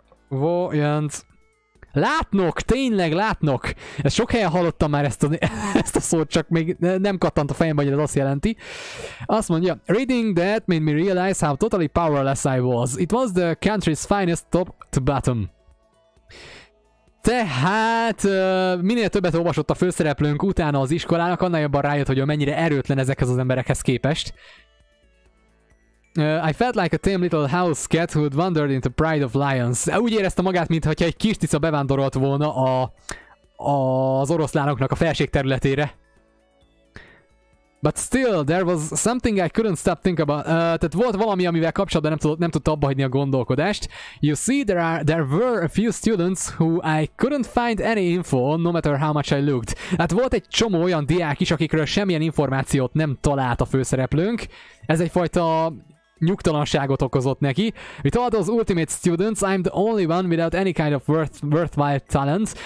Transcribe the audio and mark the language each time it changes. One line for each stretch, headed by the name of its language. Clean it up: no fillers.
Hungarian: Clairvoyant. Látnok, tényleg látnok. Ezt sok helyen hallottam már ezt a szót, csak még nem kattant a fejembe, hogy ez azt jelenti. Azt mondja,
English: reading that made me realize how totally powerless I was. It was the country's finest top to bottom.
Hungarian: Tehát minél többet olvasott a főszereplőnk utána az iskolának, annál jobban rájött, hogy mennyire erőtlen ezekhez az emberekhez képest.
English: I felt like a tame little house cat who'd wandered into pride of lions.
Hungarian: Úgy érezte magát, mintha egy kis tica bevándorolt volna az oroszlánoknak a felség területére.
English: But still, there was something I couldn't stop thinking about.
Hungarian: Tehát volt valami, amivel kapcsolatban nem tudta abbahagyni a gondolkodást.
English: You see, there were a few students who I couldn't find any info on, no matter how much I looked.
Hungarian: Hát volt egy csomó olyan diák is, akikről semmilyen információt nem talált a főszereplőnk. Ez egyfajta nyugtalanságot okozott neki.
English: With all those ultimate students, I'm the only one without any kind of worthwhile talent.